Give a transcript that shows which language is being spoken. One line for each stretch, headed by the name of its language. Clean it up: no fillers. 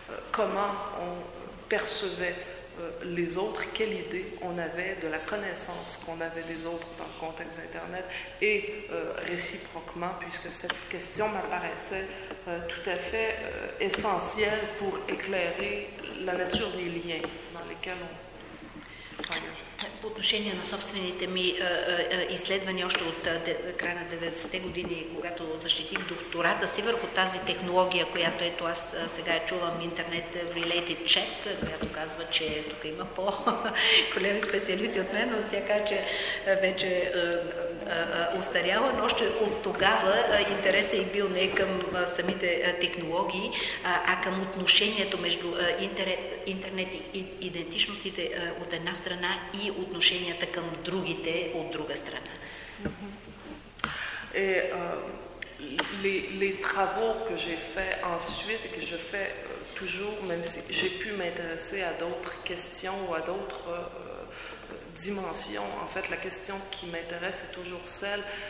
French: Comment on percevait les autres, quelle idée on avait de la connaissance qu'on avait des autres dans le contexte d'Internet et réciproquement, puisque cette question m'apparaissait tout à fait essentielle pour éclairer la nature des liens dans lesquels on s'engage.
Bulgarian: По отношение на собствените ми изследвания още от края на 90-те години, когато защитих доктората си върху тази технология, която ето аз сега чувам, интернет
English: related chat,
Bulgarian: която казва, че тук има по-големи специалисти от мен, но тя казва, че вече устаряла, но още от тогава интересът е бил не към самите технологии, а към отношението между интернет и идентичностите от една страна и отношенията към другите от друга страна.
French: Et les travaux que j'ai fait ensuite et que je fais toujours, même si j'ai pu m'intéresser à d'autres questions ou à d'autres dimensions, en fait la question qui m'intéresse est toujours celle